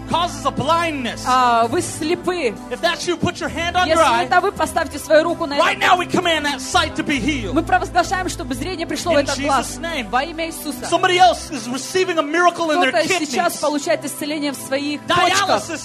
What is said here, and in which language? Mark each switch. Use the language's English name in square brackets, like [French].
[Russian] Вы слепы. Если это вы, поставьте свою руку на это. Мы провозглашаем, чтобы зрение пришло в этот глаз. Во имя Иисуса. [English] Somebody else is receiving a miracle in their kidneys. [Russian] Кто-то сейчас получает исцеление в своих почках.